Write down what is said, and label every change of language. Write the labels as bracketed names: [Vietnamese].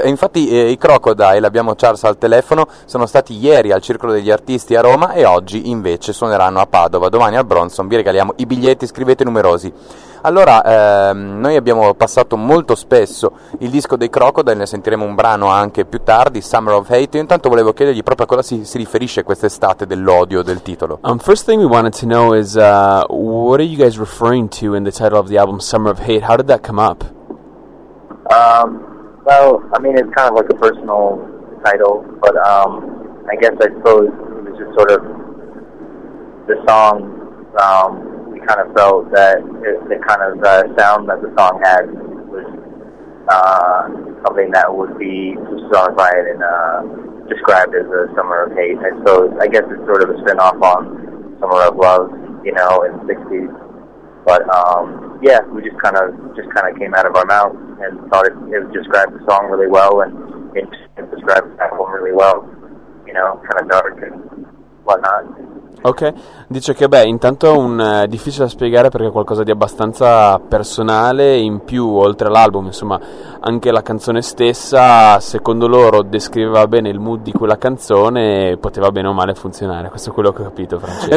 [Italian] Infatti i Crocodile, abbiamo Charles al telefono, sono stati ieri al Circolo degli Artisti a Roma e oggi invece suoneranno a Padova. Domani al Bronson vi regaliamo i biglietti, scrivete numerosi. Allora, noi abbiamo passato molto spesso il disco dei Crocodile, ne sentiremo un brano anche più tardi, Summer of Hate. Io intanto volevo chiedergli proprio a cosa si riferisce quest'estate dell'odio del titolo. [English] First thing we wanted to know is, what are you guys referring to in the title of the album Summer of Hate? How did that come up? Well, I mean, it's kind of like a personal title, but I suppose it was just sort of the song. We kind of felt that the kind of sound that the song had was something that would be personified and described as a summer of hate. I suppose, I guess it's sort of a spin-off on Summer of Love, you know, in the 60s. But we just kind of came out of our mouth and thought it described the song really well, and it described the album really well, you know, kind of dark and whatnot. [Italian] Ok, dice che intanto è difficile da spiegare perché è qualcosa di abbastanza personale, in più oltre all'album, insomma, anche la canzone stessa secondo loro descriveva bene il mood di quella canzone e poteva bene o male funzionare. Questo è quello che ho capito, Francesco.